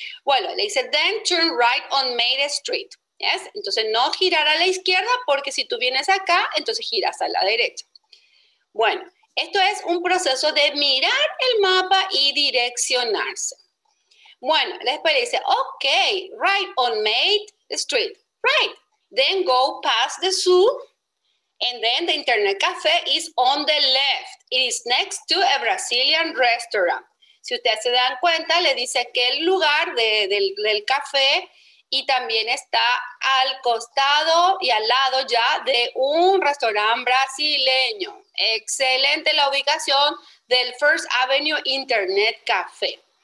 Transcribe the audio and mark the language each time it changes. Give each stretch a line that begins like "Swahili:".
Spanish: Bueno, le dice,
English: then turn right on Main Street, ¿yes?
Spanish: Entonces, no girar a la izquierda, porque si tú vienes acá, entonces giras a la derecha. Bueno, esto es un proceso de mirar el mapa y direccionarse. Bueno, después le dice,
English: ok, right on Main Street. Right, then go past the zoo, and then the internet cafe is on the left. It is next to a Brazilian restaurant.
Spanish: Si ustedes se dan cuenta, le dice que el lugar del café y también está al costado y al lado ya de un restaurante brasileño. Excelente la ubicación del First Avenue Internet Café.